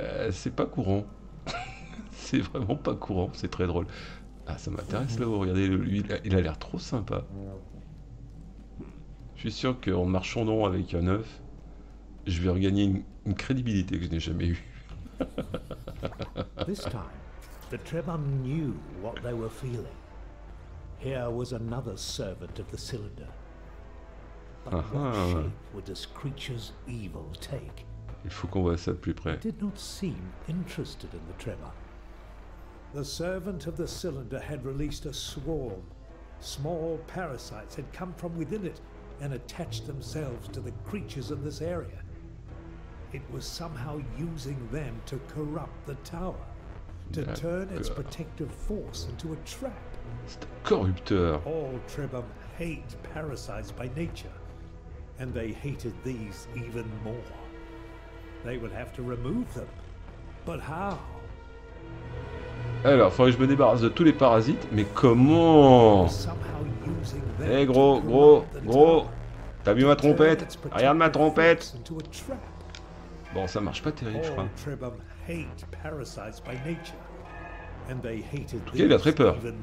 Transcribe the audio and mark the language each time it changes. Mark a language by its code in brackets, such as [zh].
[fr] C'est pas courant. C'est vraiment pas courant. C'est très drôle. Ah, ça m'intéresse là-haut. Regardez, lui, il a l'air trop sympa. Je suis sûr qu'en marchant dans avec un œuf, je vais regagner une crédibilité que je n'ai jamais eue. [en] This time, the Trebum knew what they were feeling. Here was another servant of the cylinder. But what shape would this creature's evil take? [fr] Il faut qu'on voit ça de plus près. [en] Did not seem interested in the Trebum. The servant of the cylinder had released a swarm. Small parasites had come from within it and attached themselves to the creatures in this area. It was somehow using them to corrupt the tower, to turn its protective force into a trap. [fr] C'est un corrupteur. [en] All Trebum hate parasites by nature, and they hated these even more. They would have to remove them, but how? [fr] Alors, faudrait que je me débarrasse de tous les parasites, mais comment? Hé gros, gros, gros, t'as vu ma trompette? Regarde ma trompette! Bon, ça marche pas terrible, je crois. En tout cas, il a très peur.